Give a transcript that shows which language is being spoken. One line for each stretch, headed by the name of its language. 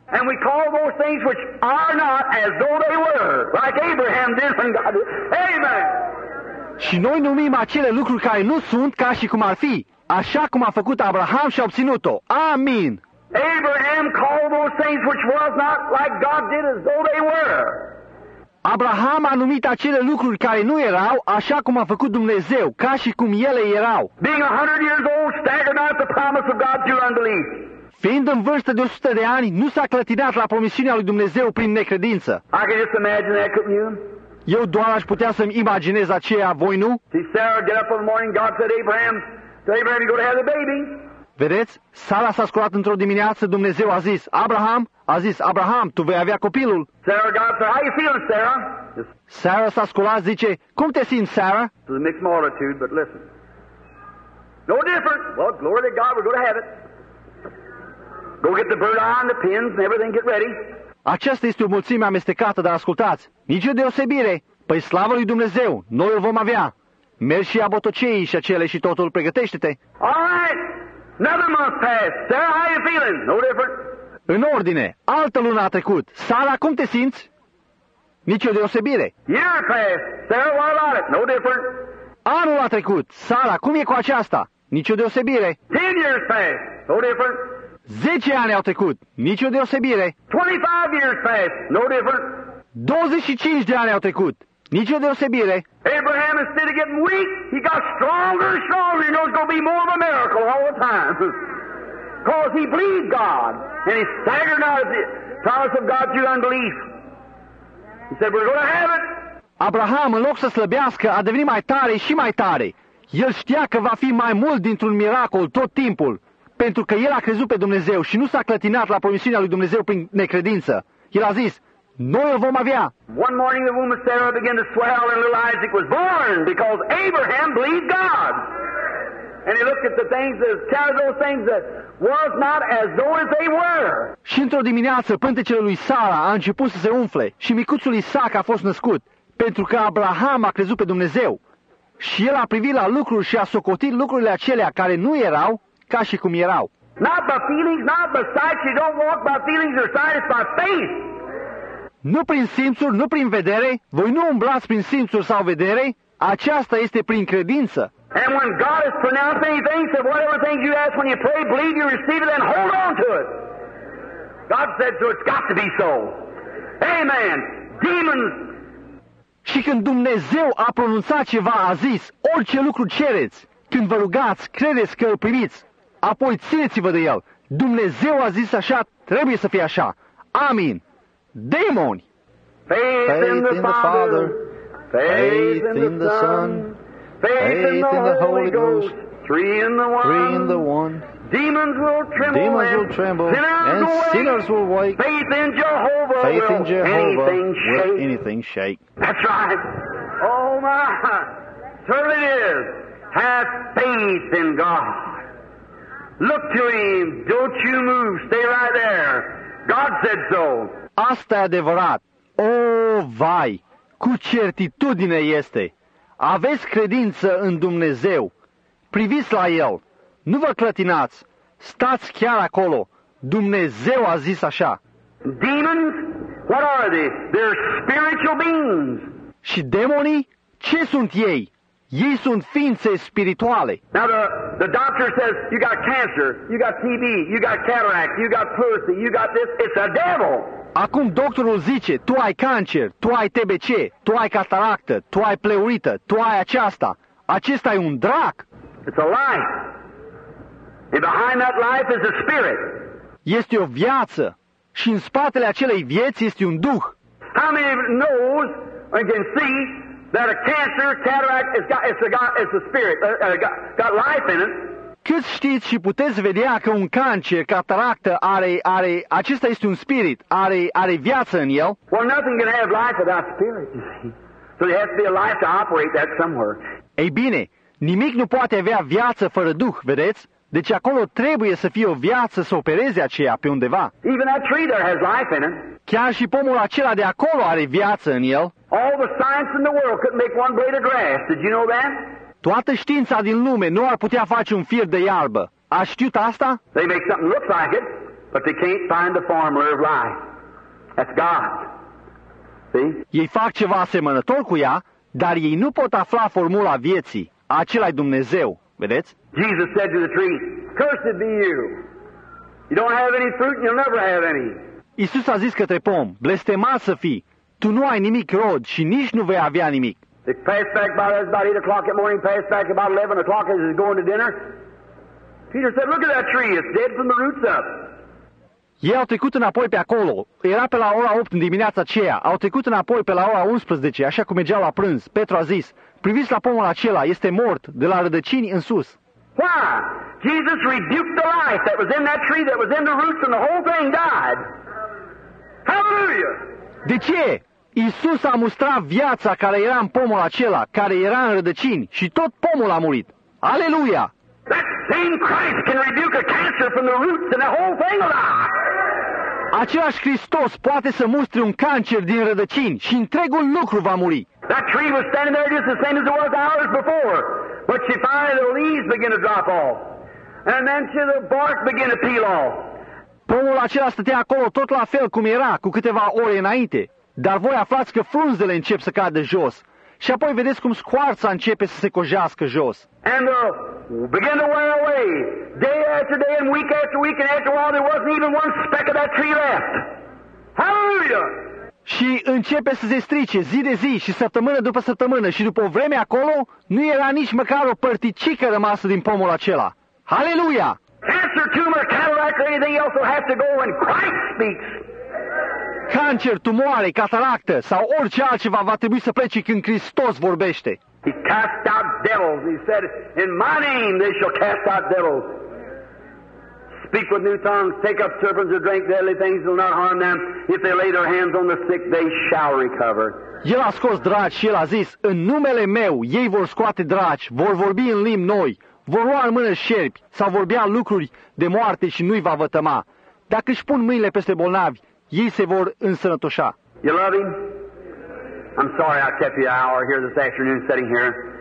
English: And we call those things which are not as though they were, like Abraham did when God did. Amen.
Romanian: Și noi numim acele lucruri care nu sunt ca și cum ar fi, așa cum a făcut Abraham și a obținut-o. Amin.
English: Abraham called those things which was not like God did as though they were.
Romanian: Abraham a numit acele lucruri care nu erau, așa cum a făcut Dumnezeu, ca și cum ele erau.
English: Being 100 years old, staggered out the promise of God through unbelief.
Romanian: Fiind în vârstă de 100 de ani, nu s-a clătinat la promisiunea lui Dumnezeu prin necredință.
English: I can just imagine that, couldn't you?
Romanian: Eu doar aș putea să-mi imaginez aceea, voi nu?
English: See, Sarah, get up in the morning, God said, Abraham, tell Abraham you're going to have the baby.
Romanian: Vedeți, Sara s-a sculat într-o dimineață, Dumnezeu a zis, Abraham, tu vei avea copilul.
English: Sarah, God said, how you feeling, Sarah?
Romanian: Sarah s-a sculat, zice, cum te simți, Sarah?
English: It's a mixed multitude, but listen. No different. Well, glory to God, we're going to have it. Go get the bird on, the pins, and everything, get ready.
Romanian: Aceasta este o mulțime amestecată, dar ascultați, nicio deosebire. Păi slavă lui Dumnezeu, noi îl vom avea. Mergi și ia botoceii și acele și totul, pregătește-te.
English: All right. Another month passed. Sarah, how you feeling? No different.
Romanian: În ordine. Altă lună a trecut. Sara, cum te simți? Nicio deosebire.
English: Year passed. Sarah, what about it? No different.
Romanian: Anul a trecut. Sara, cum e cu aceasta? Nicio deosebire.
English: 10 years passed. No different.
Romanian: 10 ani au trecut. Nicio deosebire.
English: 25 years passed. No different.
Romanian: 25 de ani au trecut. Nicio deosebire.
English: Abraham, instead of getting weak, he got stronger and stronger. He knows it's going to be more of a miracle all the time. Because he believed God. And he staggered out of the promise of God through unbelief. He said, we're going to have it.
Romanian: Abraham, în loc să slăbească, a devenit mai tare și mai tare. El știa că va fi mai mult dintr-un miracol tot timpul. Pentru că el a crezut pe Dumnezeu și nu s-a clătinat la promisiunea lui Dumnezeu prin necredință. El a zis, noi îl vom avea.
English: One morning the womb of Sarah began to swell and little Isaac was born because Abraham believed God. And he looked at the things as casual things that was not as though as they were.
Romanian: Și într-o dimineață pântecele lui Sara a început să se umfle și micuțul Isaac a fost născut pentru că Abraham a crezut pe Dumnezeu. Și el a privit la lucruri și a socotit lucrurile acelea care nu erau ca și cum erau.
English: Not by feelings, not by sight, you don't walk by feelings or sight, it's by faith.
Romanian: Nu prin simțuri, nu prin vedere, voi nu umblați prin simțuri sau vedere, aceasta este prin credință.
English: And when God has pronounced anything, said whatever things you ask when you pray, believe you receive it and hold on to it. God said so, it's got to be so. Amen. Demons.
Romanian: Și când Dumnezeu a pronunțat ceva, a zis, orice lucru cereți, când vă rugați, credeți că îl primiți, apoi țineți-vă de el. Dumnezeu a zis așa, trebuie să fie așa. Amin. Demoni!
English: Faith in the Father, faith in the Son, faith in the Holy Ghost, three in the one. Demons will tremble, sinners will wake, faith in Jehovah will anything shake. That's right. Oh my, sure it is. Have faith in God. Look to Him. Don't you move. Stay right there. God said so.
Romanian: Asta e adevărat. O, vai! Cu certitudine este! Aveți credință în Dumnezeu. Priviți la El. Nu vă clătinați. Stați chiar acolo. Dumnezeu a zis așa.
English: Demons? What are they? They're spiritual beings.
Romanian: Și demonii? Ce sunt ei? Ei sunt ființe spirituale.
English: Now the doctor says, you got cancer, you got TB, you got cataract, you got pleurisy, you got this. It's a devil!
Romanian: Acum doctorul zice, tu ai cancer, tu ai TBC, tu ai cataractă, tu ai pleurită, tu ai aceasta. Acesta e un drac.
English: It's a life. And behind that life is a spirit.
Romanian: Este o viață. Și în spatele acelei vieți este un duh.
English: How many knows and can see that a cancer, cataract, it's a spirit, got life in it.
Romanian: Cât știți și puteți vedea că un cancer, cataractă, are, acesta este un spirit, are viață în el.
English: Well, nothing can have life without spirit, so there has to be a life to operate that somewhere.
Romanian: Ei bine, nimic nu poate avea viață fără duh, vedeți? Deci acolo trebuie să fie o viață să opereze aceea pe undeva.
English: Even that tree there has life in it.
Romanian: Chiar și pomul acela de acolo are viață în el.
English: All the science in the world couldn't make one blade of grass. Did you know that?
Romanian: Toată știința din lume nu ar putea face un fir de iarbă. Ați știut asta?
English: They make something look like it, but they can't find the formula of life. That's God. See?
Romanian: Ei fac ceva asemănător cu ea, dar ei nu pot afla formula vieții. Acela-i Dumnezeu, vedeți?
English: Jesus said to the tree, "Cursed be you. You don't have any fruit, and you'll never have any."
Romanian: Iisus a zis către pom, "Blestemat să fii. Tu nu ai nimic rod și nici nu vei avea nimic."
English: It passed back by us about 8 o'clock at morning, passed back about 11 o'clock as he's going to dinner. Peter said, "Look at that tree. It's dead from the roots up."
Romanian: Ei au trecut înapoi pe acolo. Era pe la ora 8 în dimineața aceea. Au trecut înapoi pe la ora 11, așa cum mergeau la prânz. Petru a zis, "Priviți la pomul acela, este mort de la rădăcini în sus."
English: Why? Jesus rebuked the life that was in that tree, that was in the roots, and the whole thing died. Hallelujah!
Romanian: De ce? Iisus a mustrat viața care era în pomul acela, care era în rădăcini, și tot pomul a murit. Aleluia!
English: That same Christ can rebuke a cancer from the roots, and the whole thing will die.
Romanian: Același Hristos poate să mustre un cancer din rădăcini și întregul lucru va muri.
English: That tree was standing there just the same as it was hours before. But she finally the leaves begin to drop off. And then she the bark begin to peel off.
Romanian: Pomul acela stătea acolo tot la fel cum era cu câteva ore înainte. Dar voi aflați că frunzele încep să cadă jos. Și apoi vedeți cum scoarța începe să se cojească jos.
English: And the begin to wear away. Day after day and week after week and after a while there wasn't even one speck of that tree left. Hallelujah!
Romanian: Și începe să se strice zi de zi și săptămână după săptămână și după o vreme acolo nu era nici măcar o părticică rămasă din pomul acela. Haleluia!
English: Cancer, tumor, cataract, anything else will have to go when Christ speaks.
Romanian: Cancer, tumoare, cataractă sau orice altceva va trebui să plece când Hristos vorbește.
English: He cast out devils. He said, "In my name they shall cast out devils. Speak with new tongues, take up serpents or drink deadly things, will not harm them. If they lay their hands on the sick, they shall recover."
Romanian: El a scos dragi și el a zis, "În numele meu, ei vor scoate dragi, vor vorbi în limbi noi, vor lua în mână șerpi, sau vorbea lucruri de moarte și nu-i va vătăma. Dacă își pun mâinile peste bolnavi, ei se vor însănătoșa."
English: You love him? I'm sorry I kept you an hour here this afternoon sitting here.